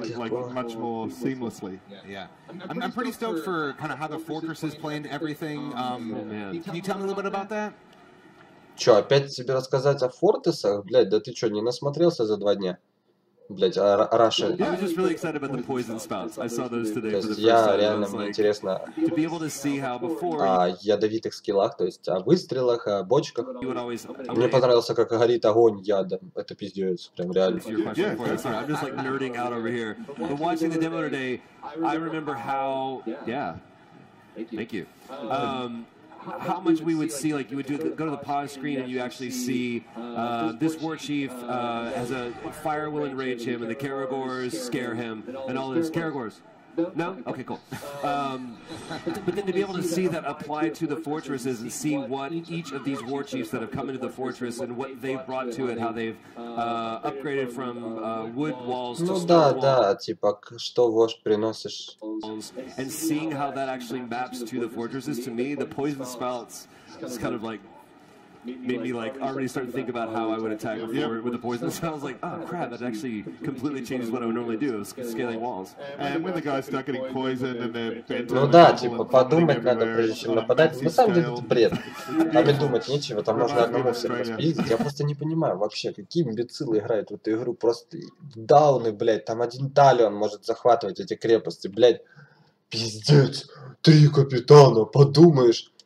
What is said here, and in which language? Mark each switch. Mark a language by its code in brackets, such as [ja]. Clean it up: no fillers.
[en] I'm pretty stoked for kind of how the fortress is playing everything. Can you tell me a little bit about that? [ru] Че, опять тебе рассказать о фортесах? Блять, да ты че, не насмотрелся за два дня? Блять, Раша. [en] I was just really excited about the poison spouts. I saw those today for the first time. [ru] Я реально, мне интересно. [en] To be able to see how before. [ru] О ядовитых скиллах, то есть о выстрелах, о бочках. Мне понравился, как горит огонь ядом. Это пиздец, прям реально. [en] I'm just like nerding out over here. But watching the demo today, I remember how. Yeah. Thank you. How much we would see, like, you would do go to the pause screen and you actually see this war chief has a fire will enrage him and the Caragors scare him and all those Caragors. No? Okay, cool. But then to be able to see that applied to the fortresses and see what each of these war chiefs that have come into the fortress and what they've brought to it, how they've upgraded from wood walls to stone walls. And seeing how that actually maps to the fortresses, to me, the poison spouts is kind of like... made me like already start to think about how I would attack with the poison. So I was like, oh crap, that actually completely changes what I would normally do, scaling walls. And when the guys start getting poisoned and they're bent over, [ru] ну да, типа подумать надо, прежде чем нападать. На самом деле это бред. Там и думать нечего, там можно одному все распиздить. Я просто не понимаю вообще, какие имбецилы играют в эту игру. Просто дауны, блядь, там один Талион может захватывать эти крепости, блядь. Пиздец, три капитана, подумаешь.